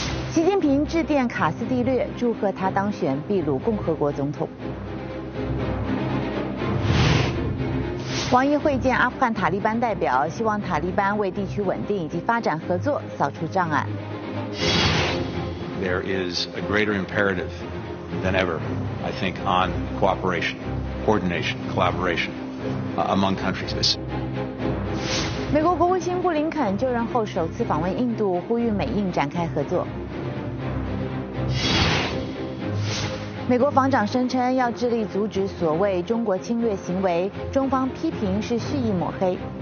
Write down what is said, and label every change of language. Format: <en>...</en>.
<zh>习近平致电卡斯蒂略，祝贺他当选秘鲁共和国总统。王毅会见阿富汗塔利班代表，希望塔利班为地区稳定以及发展合作扫除障碍。</zh> <en>There is a greater imperative than ever, I think, on cooperation, coordination, collaboration, among countries.</en> <zh>美国国务卿布林肯就任后首次访问印度，呼吁美印展开合作。美国防长声称要致力阻止所谓中国侵略行为，中方批评是蓄意抹黑。</zh>